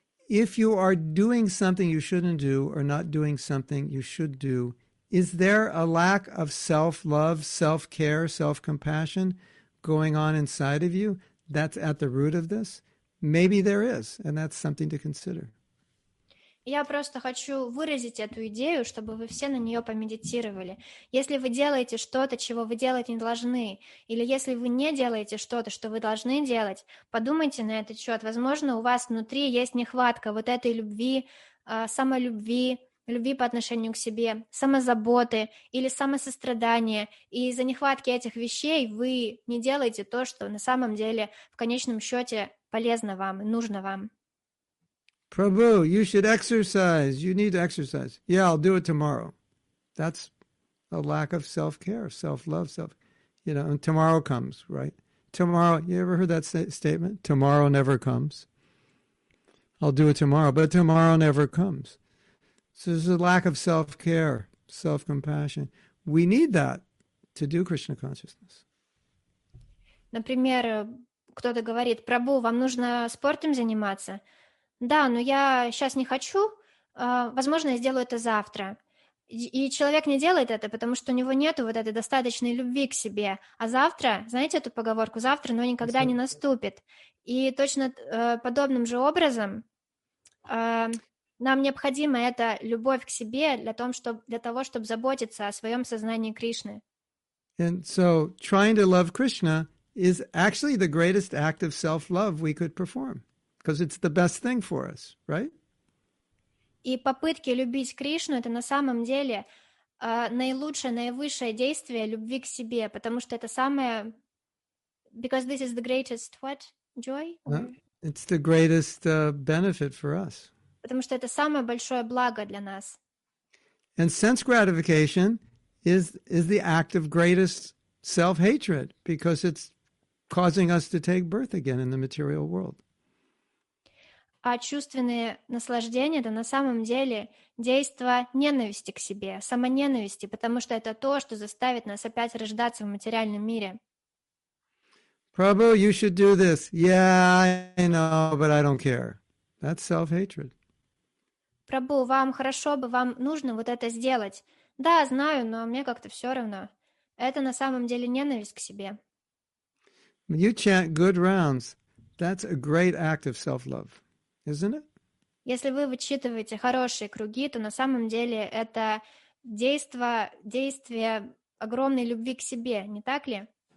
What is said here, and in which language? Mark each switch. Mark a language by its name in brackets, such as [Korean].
[English] If you are doing something you shouldn't do or not doing something you should do, is there a lack of self-love, self-care, self-compassion going on inside of you that's at the root of this? Maybe there is, and that's something to consider. [Russian] Я просто хочу выразить эту идею, чтобы вы все на нее помедитировали. Если вы делаете что-то, чего вы делать не должны, или если вы не делаете что-то, что вы должны делать, подумайте на этот счет. Возможно, у вас внутри есть нехватка вот этой любви, самолюбви, любви по отношению к себе, самозаботы или самосострадания. И из-за нехватки этих вещей вы не делаете то, что на самом деле в конечном счете полезно вам, нужно вам. [English] Prabhu, you should exercise. You need to exercise. Yeah, I'll do it tomorrow. That's a lack of self-care, self-love, self. You know, and tomorrow comes, right? Tomorrow, you ever heard that statement? Tomorrow never comes. I'll do it tomorrow, but tomorrow never comes. So there's a lack of self-care, self-compassion. We need that to do Krishna consciousness. [Russian] Например, кто-то говорит, Прабу, вам нужно спортом заниматься. Да, но я сейчас не хочу, возможно, я сделаю это завтра. И человек не делает это, потому что у него нет вот этой достаточной любви к себе. А завтра, знаете эту поговорку, завтра, но никогда не наступит. И точно подобным же образом нам необходима эта любовь к себе для того, чтобы заботиться о своем сознании Кришны. [English] And so trying to love Krishna is actually the greatest act of self-love we could perform. Because it's the best thing for us, right? [Russian] И попытки любить Кришну это на самом деле наилучшее, наивысшее действие любви к себе, потому что это самое. [English] Because this is the greatest what joy? It's the greatest benefit for us. [Russian] Потому что это самое большое благо для нас. [English] And sense gratification is the act of greatest self-hatred because it's causing us to take birth again in the material world. [Russian] А чувственные наслаждения – это на самом деле действие ненависти к себе, самоненависти, потому что это то, что заставит нас опять рождаться в материальном мире. [English] Prabhu, you should do this. Yeah, I know, but I don't care. That's self-hatred. [Russian] Прабу, вам хорошо бы, вам нужно вот это сделать. Да, знаю, но мне как-то все равно. Это на самом деле ненависть к себе. [English] When you chant good rounds, that's a great act of self-love. Isn't it? [Russian] Если вы вычитываете хорошие круги, то на самом деле это действие огромной любви к себе, не так ли?